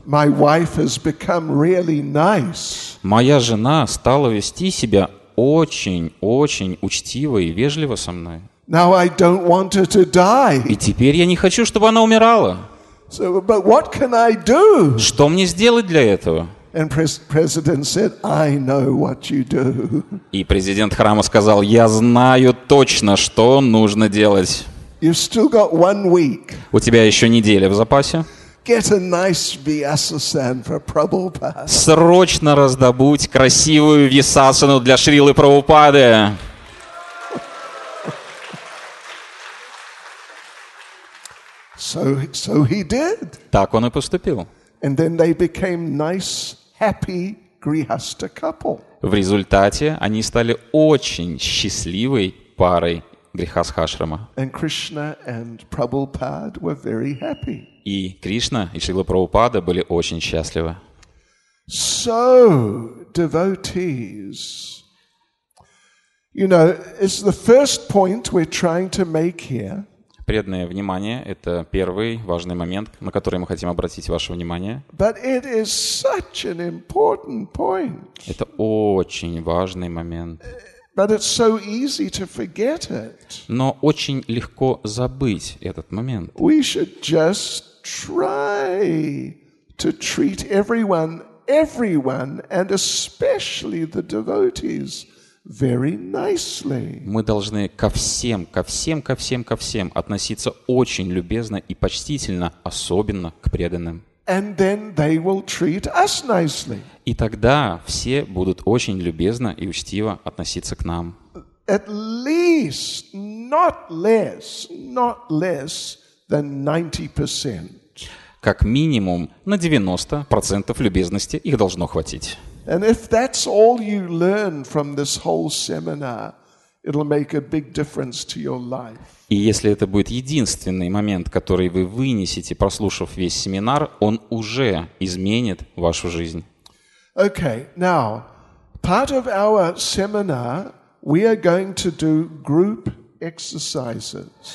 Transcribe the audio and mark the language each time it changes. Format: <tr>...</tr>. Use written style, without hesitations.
<en>My wife has become really nice.</en> <ru>Моя жена стала вести себя очень-очень учтиво и вежливо со мной.</ru> <en>Now I don't want her to die.</en> <ru>И теперь я не хочу, чтобы она умирала.</ru> <en>So, but what can I do?</en> <ru>Что мне сделать для этого?</ru> <en>And president said, I know what you do.</en> <ru>И президент храма сказал, я знаю точно, что нужно делать.</ru> <en>You've still got 1 week.</en> <ru>У тебя еще неделя в запасе.</ru> <en>Get a nice Vyasasana for Prabhupada.</en> <ru>Срочно раздобудь красивую Вьясасану для Шрилы Прабхупады.</ru> <en>So he did.</en> <ru>Так он и поступил.</ru> <en>And then they became nice, happy Grihastha couple.</en> <ru>В результате они стали очень счастливой парой Грихастха ашрама.</ru> <en>And Krishna and Prabhupada were very happy.</en> <ru>И Кришна и Шрила Прабхупада были очень счастливы.</ru> <en>So, devotees, you know, it's the first point we're trying to make here.</en> <ru>Преданное внимание – это первый важный момент, на который мы хотим обратить ваше внимание.</ru> <en>But it is such an important point.</en> <ru>Это очень важный момент.</ru> <en>But it's so easy to forget it.</en> <ru>Но очень легко забыть этот момент.</ru> <en>We should just try to treat everyone, and especially the devotees. Very nicely.</en> <ru>Мы должны ко всем относиться очень любезно и почтительно, особенно к преданным.</ru> <en>And then they will treat us nicely.</en> <ru>И тогда все будут очень любезно и учтиво относиться к нам.</ru> <en>At least, not less than 90%.</en> <ru>Как минимум на 90% любезности их должно хватить.</ru> <en>And if that's all you learn from this whole seminar, it'll make a big difference to your life.</en> <ru>И если это будет единственный момент, который вы вынесете, прослушав весь семинар, он уже изменит вашу жизнь.</ru> <en>Okay, now, part of our seminar, we are going to do group exercises.</en>